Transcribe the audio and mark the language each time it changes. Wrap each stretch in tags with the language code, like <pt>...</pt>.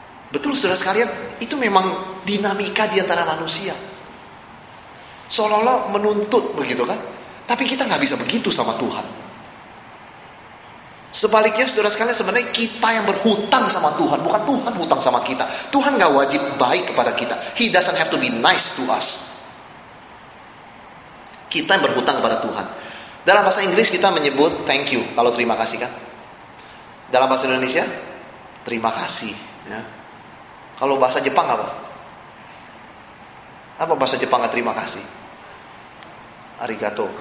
<id>Betul saudara sekalian, itu memang dinamika di antara manusia. Seolah-olah menuntut begitu kan. Tapi kita gak bisa begitu sama Tuhan. Sebaliknya saudara sekalian, sebenarnya kita yang berhutang sama Tuhan, bukan Tuhan hutang sama kita. Tuhan gak wajib baik kepada kita.</id> <en>He doesn't have to be nice to us.</en> <id>Kita yang berhutang kepada Tuhan. Dalam bahasa Inggris kita menyebut thank you, kalau terima kasih kan. Dalam bahasa Indonesia, terima kasih ya. Kalau bahasa Jepang apa? Apa bahasa Jepang gak terima kasih? Arigato.</id>